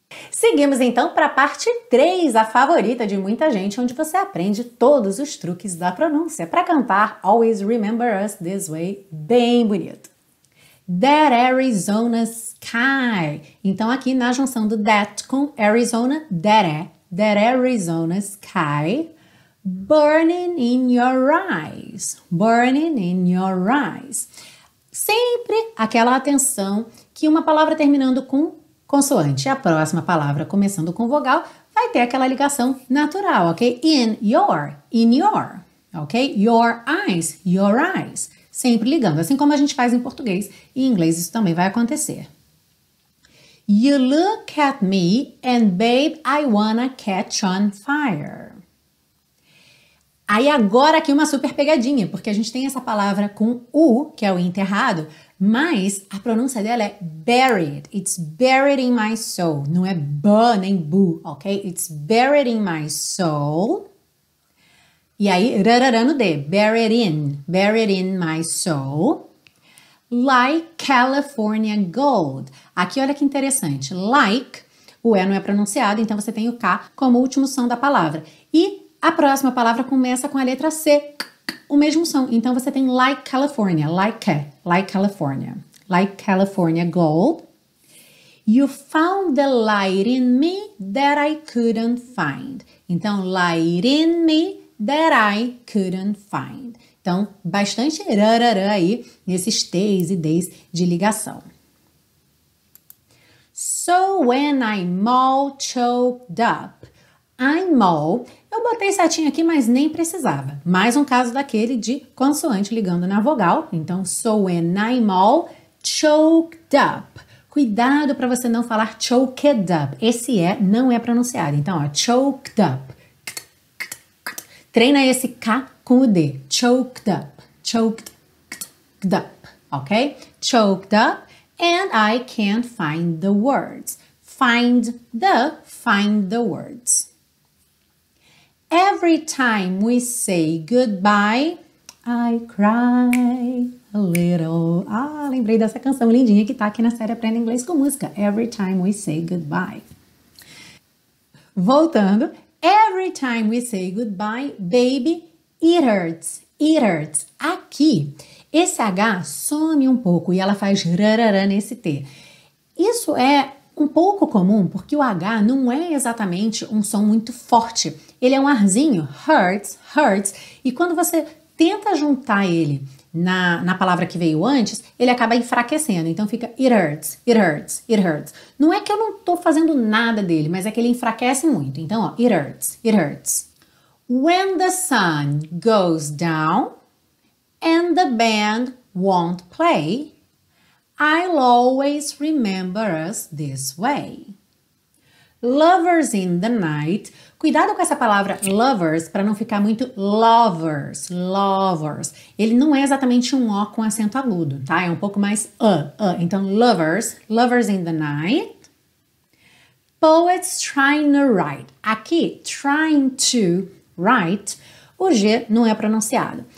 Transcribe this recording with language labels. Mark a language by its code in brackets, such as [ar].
[pt] Seguimos então para a parte 3, a favorita de muita gente, onde você aprende todos os truques da pronúncia para cantar Always Remember Us This Way, bem bonito. [en] That Arizona Sky. [pt] Então aqui na junção do that com Arizona, that é. [en] That Arizona Sky, burning in your eyes, burning in your eyes. [pt] Sempre aquela atenção que uma palavra terminando com consoante, a próxima palavra começando com vogal, vai ter aquela ligação natural, ok? In your, ok? Your eyes, sempre ligando, assim como a gente faz em português e em inglês isso também vai acontecer. [en] You look at me and babe, I wanna catch on fire. [pt] Aí agora aqui uma super pegadinha, porque a gente tem essa palavra com U, que é o enterrado, mas a pronúncia dela é buried, [en] it's buried in my soul, [pt] não é bu nem bu, ok? [en] It's buried in my soul, [pt] e aí rarara no D, [en] buried in my soul, like California gold. [pt] Aqui olha que interessante, like, o E não é pronunciado, então você tem o K como último som da palavra, e a próxima palavra começa com a letra C, o mesmo som. Então, você tem [en] like California, like California, like California gold. You found the light in me that I couldn't find. Então, light in me that I couldn't find. [pt] Então, bastante rarara aí nesses T's e D's de ligação. [en] So when I'm all choked up. [pt] I'm all, eu botei certinho aqui, mas nem precisava. Mais um caso daquele de consoante ligando na vogal. [en] Então, so when I'm all choked up. [pt] Cuidado para você não falar choked up. Esse E não é pronunciado. Então, ó, choked up. Treina esse K com o D. Choked up. [en] Choked up. Ok? Choked up. And I can't find the words. Find the words. Every time we say goodbye, I cry a little. [pt] Ah, lembrei dessa canção lindinha que tá aqui na série Aprenda Inglês com Música. [en] Every time we say goodbye. Voltando. Every time we say goodbye, baby, it hurts. It hurts. [pt] Aqui, esse H some um pouco e ela faz rararã nesse T. Isso é um pouco comum porque o H não é exatamente um som muito forte. Ele é um arzinho. Hurts, hurts. E quando você tenta juntar ele na palavra que veio antes, ele acaba enfraquecendo. [en] Então fica it hurts, it hurts, it hurts. [pt] Não é que eu não tô fazendo nada dele, mas é que ele enfraquece muito. Então, ó, [en] it hurts, it hurts. When the sun goes down and the band won't play, I'll always remember us this way. Lovers in the night. [pt] Cuidado com essa palavra lovers para não ficar muito lovers, lovers. Ele não é exatamente um O com acento agudo, tá? É um pouco mais Então, lovers, [en] lovers in the night. Poets trying to write. Aqui, trying to write, [pt] o G não é pronunciado.